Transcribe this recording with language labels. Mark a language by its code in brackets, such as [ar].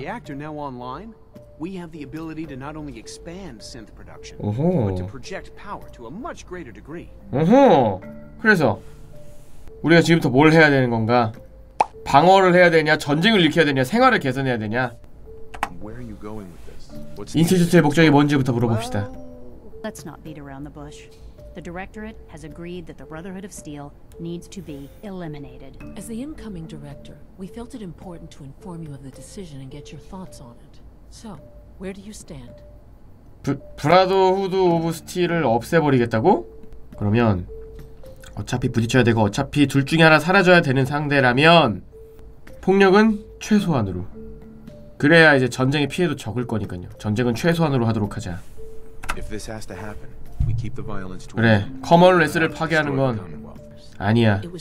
[ko] 우리는 가능성을 [en] not only expand synth production but to project power to a much greater degree. [ko] 오호. 그래서 우리가 지금부터 뭘 해야 되는 건가? 방어를 해야 되냐, 전쟁을 일으켜야 되냐, 생활을 개선해야 되냐? [en] Where are you going with this? [ko] 인스티튜트의 목적이 뭔지부터 물어봅시다. [en] Let's not beat around the bush. The directorate has agreed that the Brotherhood of Steel needs to be eliminated. As the incoming director, we felt it important to inform you of the decision and get your thoughts on it. So, where do you stand? [ko] 브라더후드 오브 스틸을 없애버리겠다고? 그러면 어차피 부딪혀야 되고 어차피 둘 중에 하나 사라져야 되는 상대라면 폭력은 최소한으로, 그래야 이제 전쟁의 피해도 적을 거니까요. 전쟁은 최소한으로 하도록 하자. [en] If this has to happen, we keep the violence to [ko] 그래, 커먼웨스를 파괴하는 건 아니야.